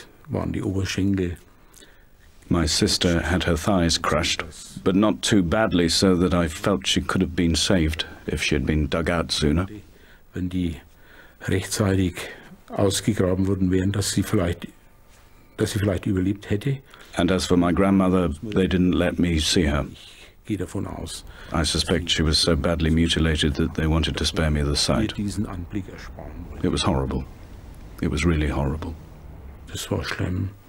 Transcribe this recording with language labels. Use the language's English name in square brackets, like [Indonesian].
[English] My sister had her thighs crushed, but not too badly, so that I felt she could have been saved if she had been dug out sooner. [German] Wenn die rechtzeitig ausgegraben worden wären, dass sie vielleicht überlebt hätte. [English] And as for my grandmother, they didn't let me see her. I suspect she was so badly mutilated that they wanted to spare me the sight. It was horrible. It was really horrible. [German] Das war schlimm.